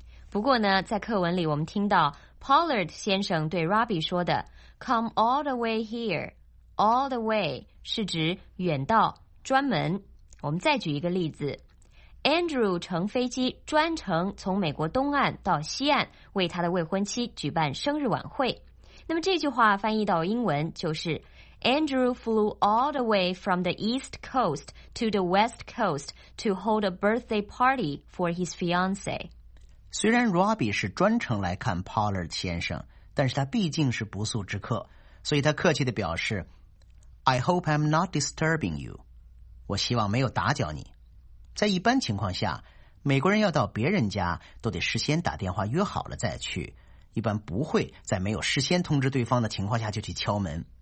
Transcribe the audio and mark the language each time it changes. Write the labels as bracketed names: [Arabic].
[Chinese] 不过呢，在课文里我们听到 Pollard 先生对 Robbie 说的 [English] Come all the way here. [Chinese] All the way 是指远道，专门。我们再举一个例子， Andrew 乘飞机专程从美国东岸到西岸为他的未婚妻举办生日晚会。那么这句话翻译到英文就是 [English] Andrew flew all the way from the east coast to the west coast to hold a birthday party for his fiance. [Chinese] 虽然 Robbie 是专程来看 Pollard 先生，但是他毕竟是不速之客，所以他客气地表示 [English] I hope I'm not disturbing you， [Chinese] 我希望没有打搅你。在一般情况下，美国人要到别人家都得事先打电话约好了再去，一般不会在没有事先通知对方的情况下就去敲门。